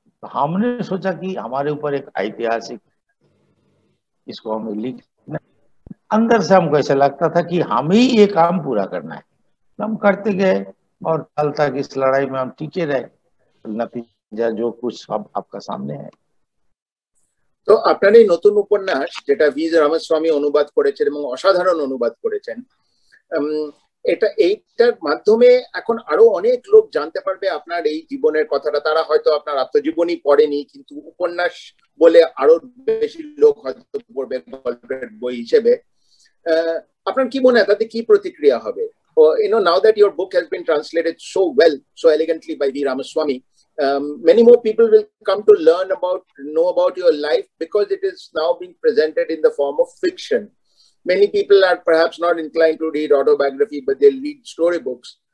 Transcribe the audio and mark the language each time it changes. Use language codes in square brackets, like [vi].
[hi] तो हमने सोचा कि हमारे ऊपर एक ऐतिहासिक इसको हमें लिख, अंदर से हमको ऐसा लगता था कि हमें ही ये काम पूरा करना है। हम करते गए और कल तक इस लड़ाई में हम टिके रहे, नतीजा जो कुछ अब आपका सामने है। [bn] তো আপনার এই নতুন উপন্যাস যেটা ভি রামস্বামী অনুবাদ করেছেন এবং অসাধারণ অনুবাদ করেছেন, এটা এইটার মাধ্যমে এখন আরো অনেক লোক জানতে পারবে আপনার এই জীবনের কথাটা, তারা হয়তো আপনার আত্মজীবনী পড়েনি কিন্তু উপন্যাস বলে আরো বেশি লোক হয়তো পড়বে গল্পের বই হিসেবে। আপনার কি মনে হয় তাতে কি প্রতিক্রিয়া হবে? [en] You know now that your book has been translated so well, so elegantly by V Ramaswamy, many more people will come to learn about, know about your life because it is now being presented in the form of fiction. Many people are perhaps not inclined to read autobiography, but they'll read storybooks.